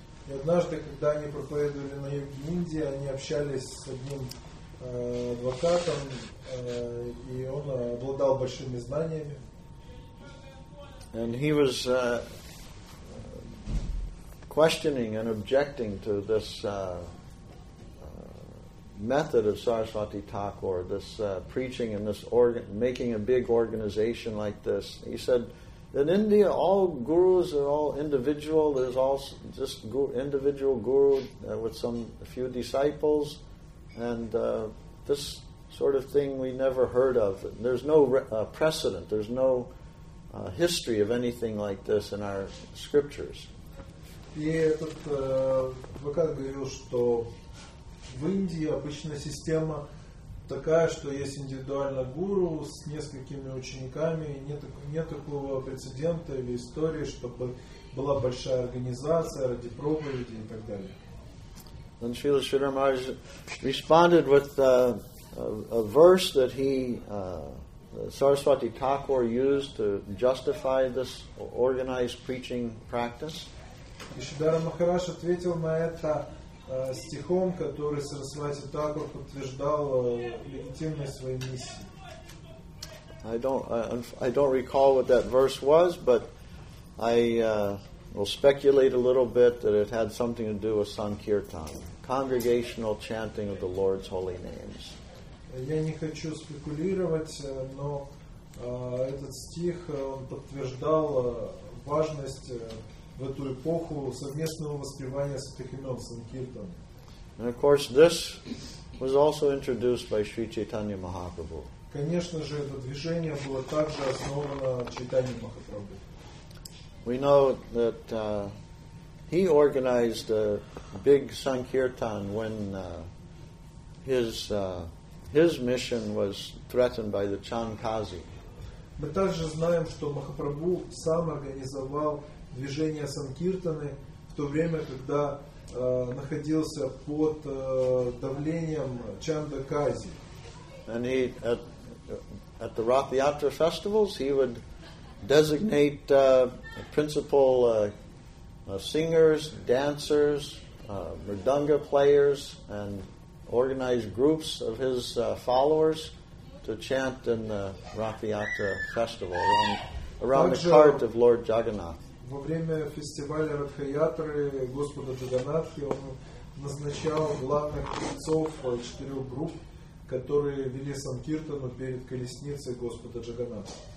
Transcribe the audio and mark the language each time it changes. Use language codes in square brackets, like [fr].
[ru] И однажды, когда они проповедовали на юге Индии, они общались с одним адвокатом, и он обладал большими знаниями. [en] And he was questioning and objecting to this method of Saraswati Thakur, this preaching and this making a big organization like this. He said, in India, all gurus are all individual. There's all just individual guru with a few disciples. And this sort of thing we never heard of. There's no precedent. There's no history of anything like this in our scriptures. [ru] И этот адвокат говорил, что в Индии обычно система такая, что есть индивидуально гуру с несколькими учениками, нет такого прецедента или истории, чтобы была большая организация ради проповеди и так далее. [en] Then Srila Sridhar Maharaj responded with a verse that he Saraswati Thakur used to justify this organized preaching practice. [ru] И Шридхара Махарадж ответил на это стихом, который Сарасвати Тхакур подтверждал легитимность своей миссии. [en] I don't recall what that verse was, but I will speculate a little bit that it had something to do with Sankirtan, congregational chanting of the Lord's holy names. [ru] Я не хочу спекулировать, но этот стих подтверждал важность в эту эпоху совместного воспевания святых имен Санкиртан. [en] And of course, this was also introduced by Sri Chaitanya Mahaprabhu. [ru] Конечно же, это движение было также основано Чайтанья Махапрабху. [en] We know that he organized a big Sankirtan when his mission was threatened by the Chankazi. [ru] Мы также знаем, что Махапрабху сам организовал движение Санкиртаны в то время, когда находился под давлением Чандакази. [en] And he at the Rath Yatra festivals, he would designate principal singers, dancers, mridanga players, and organize groups of his followers to chant in the Rath Yatra festival around [ru] также [en] the cart of Lord Jagannath. [ru] Во время фестиваля Ратха Ятры Господа Джаганнатхи он назначал главных певцов четырех групп, которые вели санкиртану перед колесницей Господа Джаганнатха.